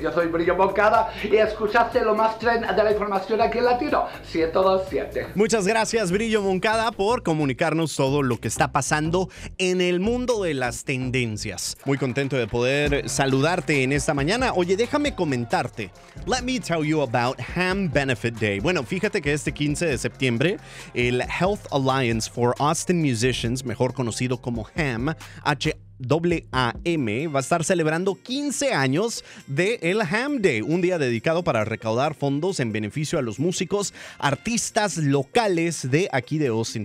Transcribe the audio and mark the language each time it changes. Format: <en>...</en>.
<es>Yo soy Brillo Moncada y escuchaste lo más trend de la información aquí en Latino 1027. Muchas gracias, Brillo Moncada, por comunicarnos todo lo que está pasando en el mundo de las tendencias. Muy contento de poder saludarte en esta mañana. Oye, déjame comentarte.</es> <en>Let me tell you about Ham Benefit Day.</en> <es>Bueno, fíjate que este 15 de septiembre, el Health Alliance for Austin Musicians, mejor conocido como HAM, AAM va a estar celebrando 15 años de El Ham Day, un día dedicado para recaudar fondos en beneficio a los músicos, artistas locales de aquí de Austin.</es>